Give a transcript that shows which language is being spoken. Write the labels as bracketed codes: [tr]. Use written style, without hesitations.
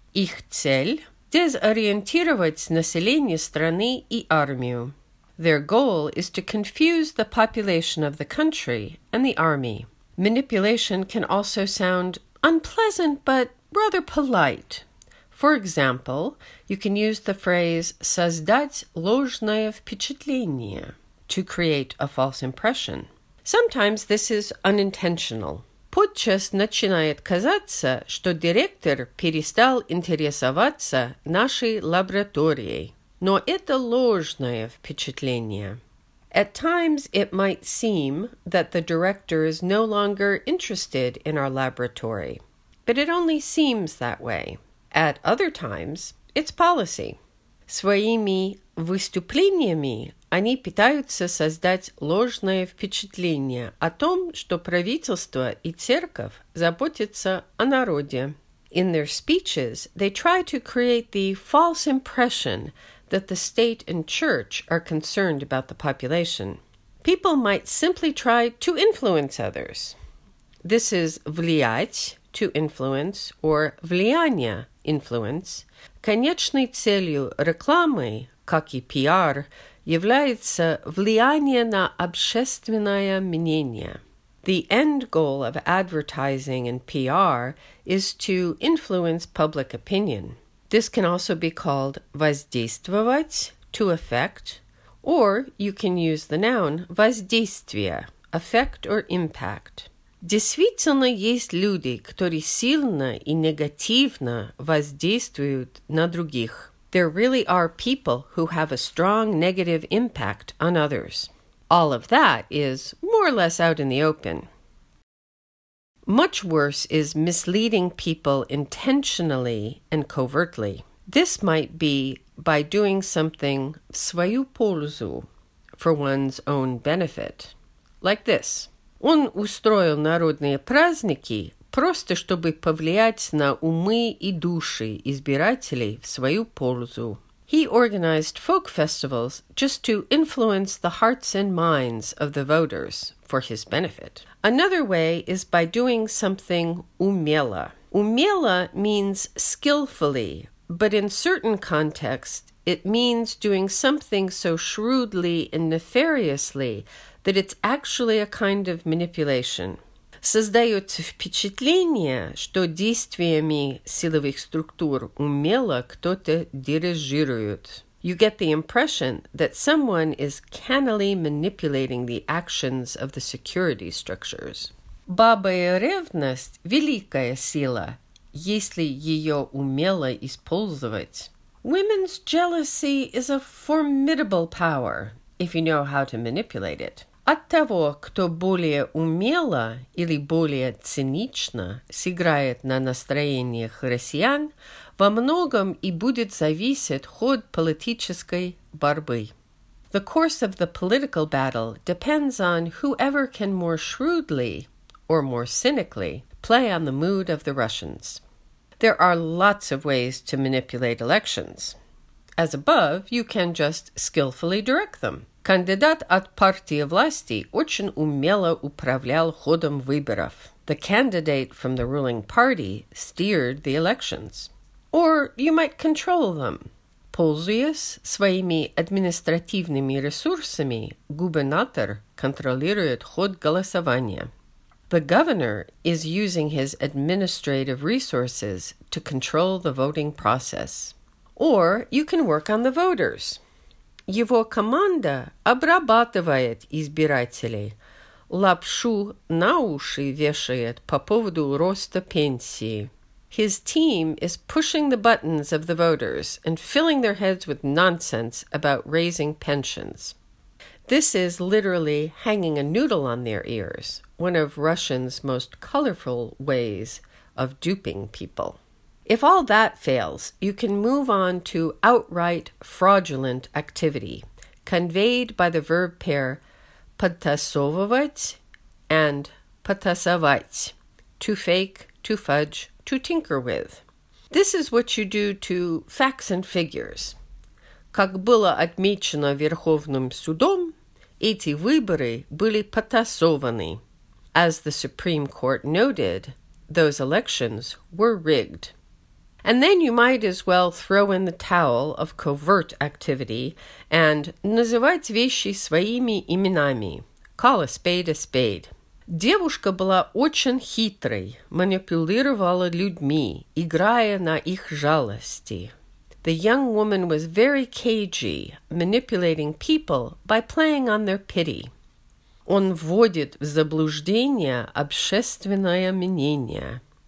[ru] Их цель – дезориентировать население страны и армию. [en] Their goal is to confuse the population of the country and the army. Manipulation can also sound unpleasant but rather polite. For example, you can use the phrase [ru] создать ложное впечатление, [en] to create a false impression. Sometimes this is unintentional. [ru] Подчас начинает казаться, что директор перестал интересоваться нашей лабораторией. Но это ложное впечатление. [en] At times it might seem that the director is no longer interested in our laboratory, but it only seems that way. At other times, it's policy. [ru] Своими выступлениями они пытаются создать ложное впечатление о том, что правительство и церковь заботятся о народе. [en] In their speeches, they try to create the false impression that the state and church are concerned about the population. People might simply try to influence others. This is влиять, to influence, or влияние, influence. [ru] Конечной целью рекламы, как и PR, является влияние на общественное мнение. [en] The end goal of advertising and PR is to influence public opinion. This can also be called воздействовать, to affect, or you can use the noun воздействие, effect or impact. [ru] Действительно, есть люди, которые сильно и негативно воздействуют на других. [en] There really are people who have a strong negative impact on others. All of that is more or less out in the open. Much worse is misleading people intentionally and covertly. This might be by doing something [ru] в свою пользу, [en] for one's own benefit. Like this. [ru] Он устроил народные праздники просто чтобы повлиять на умы и души избирателей в свою пользу. [en] He organized folk festivals just to influence the hearts and minds of the voters for his benefit. Another way is by doing something умело. Умело means skillfully, but in certain contexts, it means doing something so shrewdly and nefariously that it's actually a kind of manipulation. [ru] Создается впечатление, что действиями силовых структур умело кто-то дирижирует. [en] You get the impression that someone is cannily manipulating the actions of the security structures. [ru] Бабая ревность – великая сила, если ее умело использовать. [en] Women's jealousy is a formidable power, if you know how to manipulate it. [ru] От того, кто более умело или более цинично сыграет на настроениях россиян, во многом и будет зависеть ход политической борьбы. [en] The course of the political battle depends on whoever can more shrewdly, or more cynically, play on the mood of the Russians. There are lots of ways to manipulate elections. As above, you can just skillfully direct them. [ru] Кандидат от партии власти очень умело управлял ходом выборов. [en] The candidate from the ruling party steered the elections. Or you might control them. [ru] Пользуясь своими административными ресурсами, губернатор контролирует ход голосования. [en] The governor is using his administrative resources to control the voting process. Or you can work on the voters. [ru] Его команда обрабатывает избирателей, лапшу на уши вешает по поводу роста пенсии. [en] His team is pushing the buttons of the voters and filling their heads with nonsense about raising pensions. This is literally hanging a noodle on their ears, one of Russian's most colorful ways of duping people. If all that fails, you can move on to outright fraudulent activity, conveyed by the verb pair podtasovывать and podtasовать, to fake, to fudge, to tinker with. This is what you do to facts and figures. [ru] Как было отмечено Верховным судом, эти выборы были подтасованы. [en] As the Supreme Court noted, those elections were rigged. And then you might as well throw in the towel of covert activity and [ru] называть вещи своими именами. [en] Call a spade a spade. [ru] Девушка была очень хитрой, манипулировала людьми, играя на их жалости. [en] The young woman was very cagey, manipulating people by playing on their pity. [ru] Он вводит в заблуждение общественное мнение.